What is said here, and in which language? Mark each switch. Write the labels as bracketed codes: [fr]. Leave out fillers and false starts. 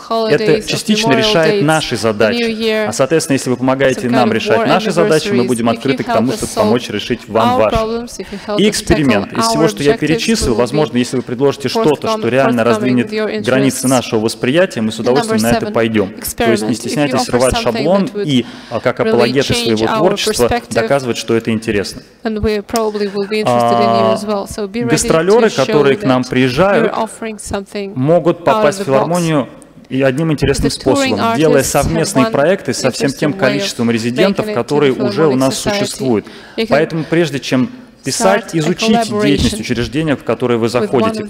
[ru] Это частично решает наши задачи. А, соответственно, если вы помогаете нам решать наши задачи, мы будем открыты к тому, чтобы помочь решить вам ваши. И эксперимент. Из всего, что я перечислил, возможно, если вы предложите что-то, что реально раздвинет границы нашего восприятия, мы с удовольствием на это пойдем. То есть не стесняйтесь рвать шаблон и, как апологеты своего творчества, доказывать, что это интересно. [en] And we probably will be interested in you as well. So be ready. [ru] Гастролеры, которые к нам приезжают, могут попасть в филармонию и одним интересным способом, делая совместные проекты со всем тем количеством резидентов, которые уже у нас существуют. Поэтому прежде чем писать, изучите деятельность учреждения, в которое вы заходите.